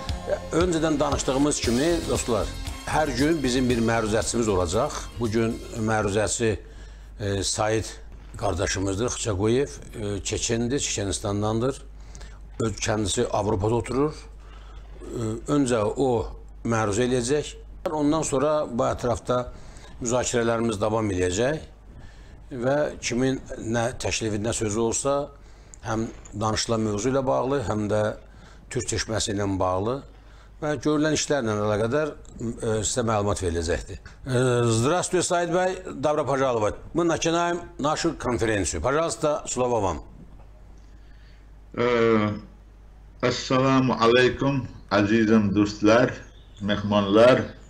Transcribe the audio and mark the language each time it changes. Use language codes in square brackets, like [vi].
[az] Ya, önceden danıştığımız kimi dostlar, her gün bizim bir məruzəçimiz olacaq. Bugün məruzəçi Said qardaşımızdır, Xıçaqoyev. Çeçendir, Çeçenistandandır. Öz kəndisi Avropada oturur. Öncə o məruzə eləyəcək. Ondan sonra bu ətrafda müzakirələrimiz davam edəcək. Və kimin nə təklifində sözü olsa, həm danışılan mövzu ilə bağlı, həm də Türk seçməsi ilə bağlı. [tr] Ben görülen işlerle alakadar size malumat verilecekti. [ru] Здравствуйте, Саид Бай, добро пожаловать. Мы начинаем нашу конференцию. Пожалуйста, слово вам. [tg] Ассаламу алейкум, азизам дустлар, мехманлар.